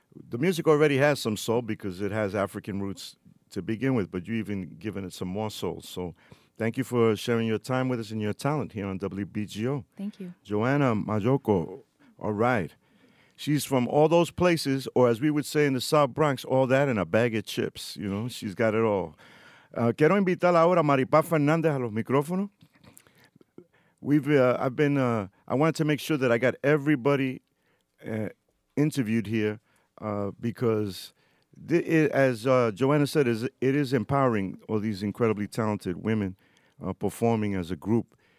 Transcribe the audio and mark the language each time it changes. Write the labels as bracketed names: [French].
[English] The music already has some soul because it has African roots to begin with, but you've even given it some more soul. So thank you for sharing your time with us and your talent here on WBGO. Thank you. Joanna Majoko. All right. She's from all those places, or as we would say in the South Bronx, all that and a bag of chips. You know, she's got it all. [Spanish] Quiero invitar ahora a Maripaz Fernández a los micrófonos. [English] I wanted to make sure that I got everybody interviewed here because, Joanna said, it is empowering all these incredibly talented women performing as a group.